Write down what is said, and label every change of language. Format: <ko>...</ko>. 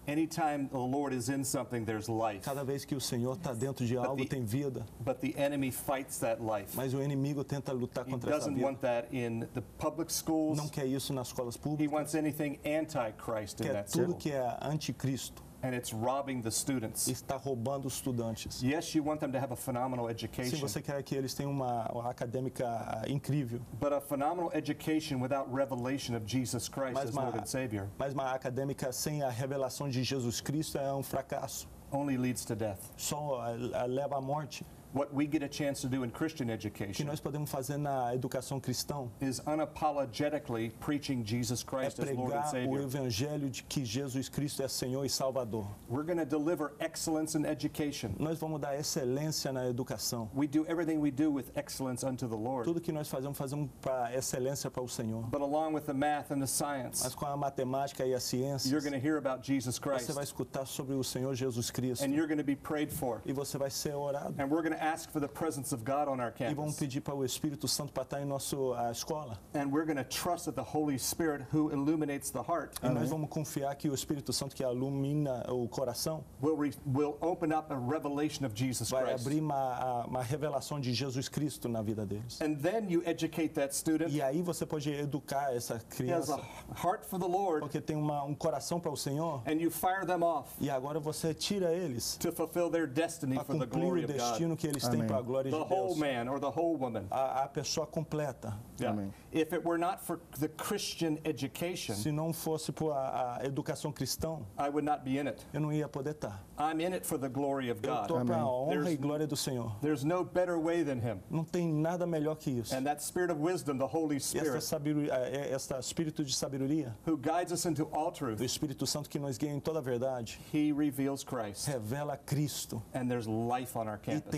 <en>Anytime the Lord is in something, there's life.</en> <pt>Cada vez que o Senhor está dentro de algo, tem vida.</pt> <en>But the enemy fights that life.</en> <pt>Mas o inimigo tenta lutar contra essa vida.</pt> <en>He doesn't want that in the public schools.</en> <pt>Não quer isso nas escolas públicas.</pt> <en>He wants anything anti-Christ in that.</en> <pt>Tudo que é anticristo.</pt> <en>And it's robbing the students.</en> <pt>Está roubando os estudantes.</pt> <en>Yes, you want them to have a phenomenal education.</en> <pt>Sim, você quer que eles tenham uma acadêmica incrível.</pt> <en>But a phenomenal education without revelation of Jesus Christ as Lord and Savior.</en> <pt>Mas uma acadêmica sem a revelação de Jesus Cristo é um fracasso.</pt> <en>Only leads to death.</en> <pt>Só leva à morte.</pt> <en>What we get a chance to do in Christian education,</en> <pt>que nós podemos fazer na educação cristã,</pt> <en>is unapologetically preaching Jesus Christ as Lord and Savior.</en> <pt>É pregar o evangelho de que Jesus Cristo é Senhor e Salvador.</pt> <en>We're going to deliver excellence in education.</en> <pt>Nós vamos dar excelência na educação.</pt> <en>We do everything we do with excellence unto the Lord.</en> <pt>Tudo que nós fazemos, fazemos para excelência para o Senhor.</pt> <en>But along with the math and the science,</en> <pt>mas com a matemática e a ciência,</pt> <en>you're going to hear about Jesus Christ.</en> <pt>Você vai escutar sobre o Senhor Jesus Cristo.</pt> <en>And you're going to be prayed for.</en> <pt>E você vai ser orado.</pt> <en>And we're going to ask for the presence of God on our campus.</en> <pt>E vamos pedir para o Espírito Santo para estar em nossa escola.</pt> <en>And we're going to trust that the Holy Spirit who illuminates the heart.</en> <pt>E nós vamos confiar que o Espírito Santo que ilumina o coração.</pt> <en>Will open up a revelation of Jesus Christ.</en> <pt>Vai abrir uma revelação de Jesus Cristo na vida deles.</pt> <en>And then you educate that student.</en> <pt>E aí você pode educar essa criança.</pt> <en>He has a heart for the Lord.</en> <pt>Porque tem um coração para o Senhor.</pt> <en>And you fire them off.</en> <pt>E agora você tira eles.</pt> <en>To fulfill their destiny for the glory of God.</en> <pt>Que eles têm para a glória de Deus.</pt> <en>The whole man or the whole woman.</en> <pt>A pessoa completa.</pt> <en>Yeah.</en> <pt>Amém.</pt> <en>If it were not for the Christian education,</en> <pt>se não fosse por a educação cristã,</pt> <en>I would not be in it.</en> <pt>Eu não ia poder estar.</pt> <en>I'm in it for the glory of God.</en> <pt>Eu estou para a honra e glória do Senhor.</pt> <en>There's no better way than him.</en> <pt>Não tem nada melhor que isso.</pt> <en>And that spirit of wisdom, the Holy Spirit,</en> <pt>esta espírito de sabedoria,</pt> <en>who guides us into all truth,</en> <pt>o Espírito Santo que nos guia em toda a verdade,</pt> <en>he reveals Christ,</en> <pt>revela Cristo.</pt> <en>And there's life on our campus.</en>